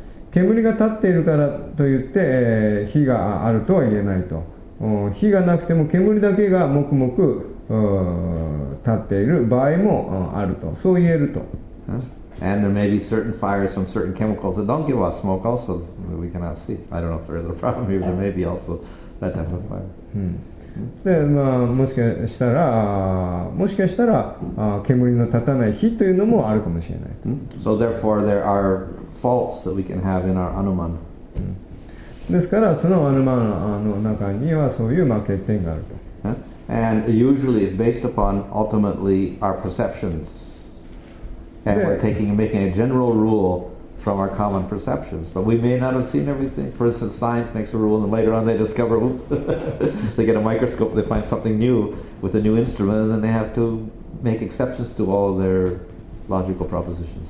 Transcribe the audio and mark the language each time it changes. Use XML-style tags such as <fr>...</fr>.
<ja>煙が立っているからといって、火があるとは言えないと火がなくても煙だけがもくもく立っている場合もあるとそう言えると、 huh?</ja> <en>And there may be certain fires from certain chemicals that don't give off smoke also that we cannot see I don't know if there is a problem maybe there may be also that type of fire、</en> <ja>でまあ、もしかしたら煙の立たない火というのもあるかもしれない、</ja> <en>So therefore there areFaults that we can have in our anuman.</en> <ja>ですからそのアヌマンの中にはそういう欠点があると。</ja> <en>And usually it's based upon ultimately our perceptions. And we're taking and making a general rule from our common perceptions. But we may not have seen everything. For instance, science makes a rule, and later on they discover, they get a microscope, and they find something new with a new instrument, and then they have to make exceptions to all their logical propositions.</en>